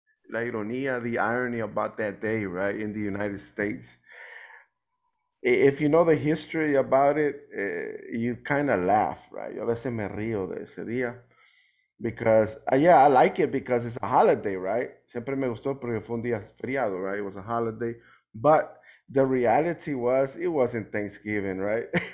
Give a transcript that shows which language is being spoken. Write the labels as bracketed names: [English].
[Spanish] La ironía, [English] the irony about that day, right, in the United States. If you know the history about it, you kind of laugh, right? [Spanish] Yo a veces me río de ese día. [English] Because, yeah, I like it because it's a holiday, right? [Spanish] Siempre me gustó porque fue un día feriado, right? [English] It was a holiday. But the reality was it wasn't Thanksgiving, right?